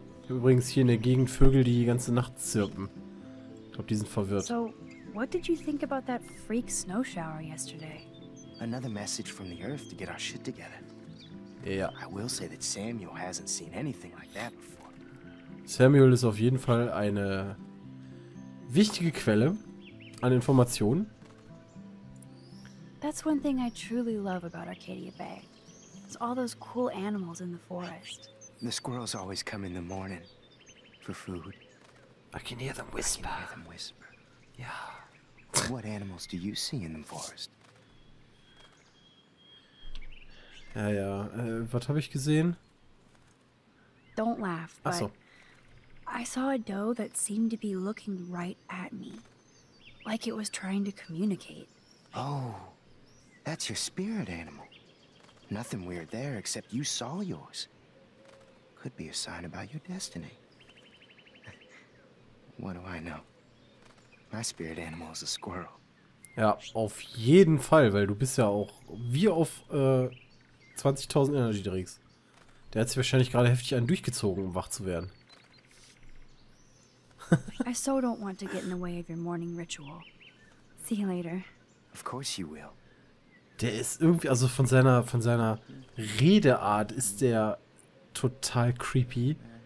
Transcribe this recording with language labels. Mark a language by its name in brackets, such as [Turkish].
[German] Ich habe übrigens hier in der Gegend Vögel, die die ganze Nacht zirpen. Ich glaube, die sind verwirrt. [English] So, what did you think about that freak snow shower yesterday? Another message from the earth to get our shit together. Yeah. I will say that Samuel hasn't seen anything like that before. [German] Samuel ist auf jeden Fall eine wichtige Quelle an Informationen. [English] That's one thing I truly love about Arcadia Bay. It's all those cool animals in the forest. The squirrels always come in the morning for food. I can hear them whisper. I can hear them whisper. Yeah. What animals do you see in the forest? [German] Ja, ja. Was habe ich gesehen? [English] Don't laugh, but [German] ach so. [English] I saw a doe that seemed to be looking right at me. Like it was trying to communicate. Oh, that's your spirit animal. Nothing weird there except you saw yours. Could be a sign about your destiny. What do I know? My spirit animal is a squirrel. [German] Ja, auf jeden Fall, weil du bist ja auch wie auf 20.000 Energy Drinks. Der hat sich wahrscheinlich gerade heftig einen durchgezogen, um wach zu werden. [English] I so don't want to get in the way of your morning ritual. See you later. Of course you will. [German] Der ist irgendwie, also von seiner Redeart ist der total creepy.